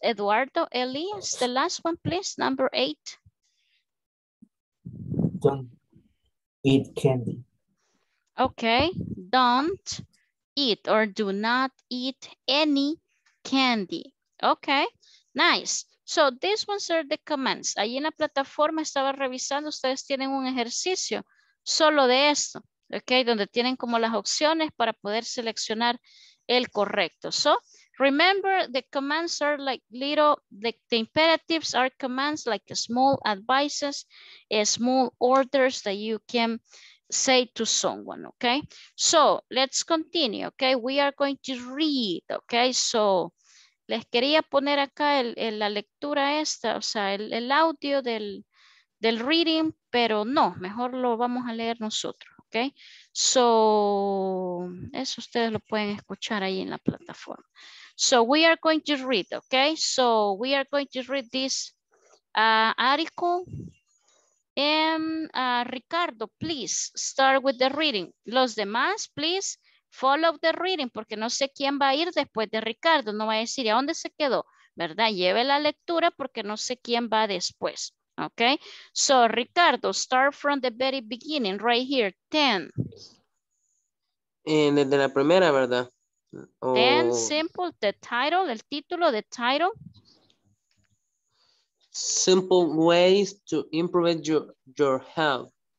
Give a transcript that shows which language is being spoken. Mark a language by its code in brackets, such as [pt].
[en] Eduardo, Eli, is the last one, please, number 8. Don't eat candy. Okay, don't eat or do not eat any candy. Okay, nice. So these ones are the commands. [es] Allí en la plataforma estaba revisando, ustedes tienen un ejercicio solo de esto, okay, donde tienen como las opciones para poder seleccionar el correcto. [en] So remember, the commands are like little, the imperatives are commands like small advices, small orders that you can say to someone, okay? So let's continue, okay? We are going to read, okay? [es] So les quería poner acá la lectura esta, o sea, el audio del reading, pero no, mejor lo vamos a leer nosotros, okay? So eso ustedes lo pueden escuchar ahí en la plataforma. [en] So we are going to read, okay? So we are going to read this article. Ricardo, please start with the reading. [es] Los demás, [en] please follow the reading, [es] porque no sé quién va a ir después de Ricardo. No va a decir a dónde se quedó, ¿verdad? Lleve la lectura porque no sé quién va después. [en] Okay. So, Ricardo, start from the very beginning, right here. 10. [es] Desde la primera, ¿verdad? [en] Oh. 10, simple, the title, [es] el título, [en] the title. Simple ways to improve your health.